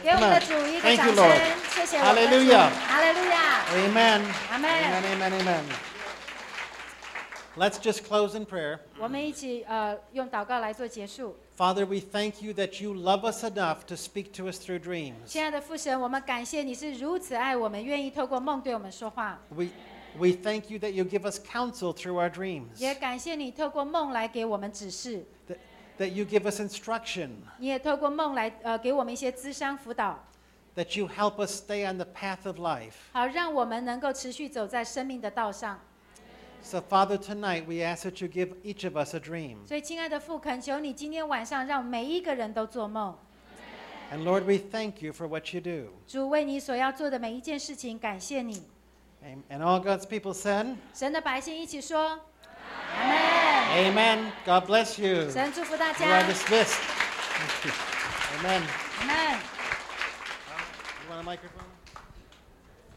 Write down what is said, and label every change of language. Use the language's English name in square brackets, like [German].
[English] come on. Thank you, Lord. Hallelujah. Hallelujah. Amen. Amen. Amen. Amen. Amen. Let's just close in prayer. [Chinese] 我们一起用祷告来做结束。 [English] Father, we thank you that you love us enough to speak to us through dreams. [Chinese] 亲爱的父神，我们感谢你是如此爱我们，愿意透过梦对我们说话。 [English] We thank you that you give us counsel through our dreams. [Chinese] 也感谢你透过梦来给我们指示。 [English] That you give us instruction. [Chinese] 你也透过梦来给我们一些谘商辅导。 [English] That you help us stay on the path of life. [Chinese] 好，让我们能够持续走在生命的道上。 [English] So Father, tonight we ask that you give each of us a dream. [Chinese] 所以，亲爱的父，恳求你今天晚上让每一个人都做梦。 [English] And Lord, we thank you for what you do. [Chinese] 主为你所要做的每一件事情，感谢你。 [English] And all God's people said, [Chinese] 神的百姓一起说 [English] Amen. Amen. God bless you. [Chinese] 神祝福大家。 [English] You are dismissed. Thank you. Amen. Amen. You want a microphone? Thank